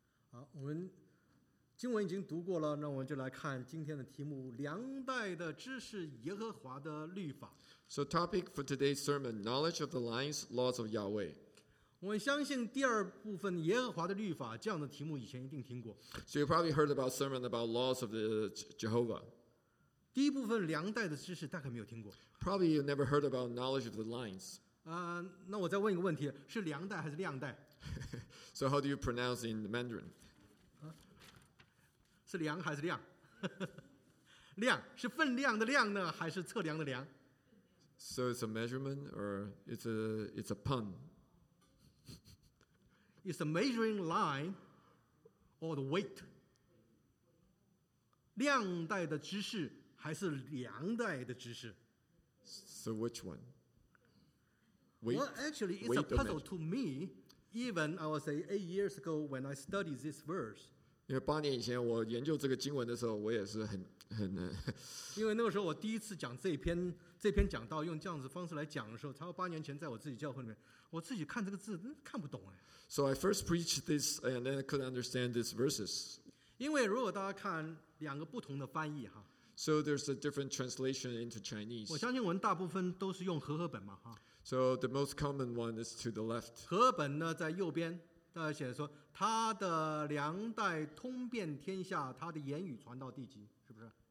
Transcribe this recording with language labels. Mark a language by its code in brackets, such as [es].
[zh] 好，我们经文已经读过了，那我们就来看今天的题目：两代的知识，耶和华的律法。 [en] So, topic for today's sermon: knowledge of the lines, laws of Yahweh. [zh] 我相信第二部分耶和华的律法这样的题目以前一定听过。 [en] So you probably heard about sermon about laws of the Jehovah. [zh] 第一部分两代的知识大概没有听过。 [en] Probably you never heard about knowledge of the lines. [zh] 那我再问一个问题，是两代还是两代？ [en] So how do you pronounce in Mandarin? [zh] 是量还是量？量是分量的量呢，还是测量的量？ [en] So it's a measurement or it's a pun? Is the measuring line or the weight? [zh] 量代的知识还是量代的知识？ [en] So which one? Weight, well, actually, it's a puzzle to me. Even I would say 8 years ago when I studied this verse. [zh] 因为八年以前我研究这个经文的时候，我也是很。因为那个时候我第一次讲这篇讲道用这样子方式来讲的时候，差不多八年前在我自己教会里面，我自己看这个字看不懂哎。 [en] So I first preached this and then I couldn't understand these verses. [zh] 因为如果大家看两个不同的翻译哈。 [en] So there's a different translation into Chinese. [zh] 我相信我们大部分都是用和合本嘛哈。 [en] So the most common one is to the left. [zh] 和合本呢在右边。大家写的说他的量代通遍天下，他的言语传到地极，是不是？